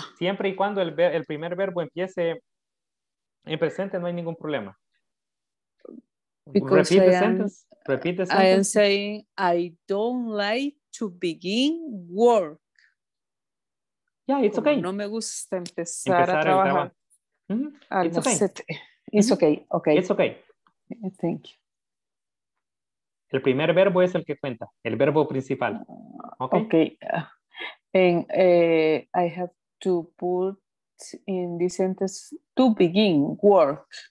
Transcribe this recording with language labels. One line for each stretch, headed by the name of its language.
Spanish: Siempre y cuando el primer verbo empiece en presente, no hay ningún problema.
English: Because repeat, repeat the sentence. I am saying, I don't like to begin work. Yeah, it's okay.
Spanish: No me gusta empezar a trabajar.
English: Mm-hmm. It's okay. It's okay. Okay. It's okay. Thank you.
Spanish: El primer verbo es el que cuenta, el verbo principal.
English: Okay. Okay. And I have to put in this sentence to begin work.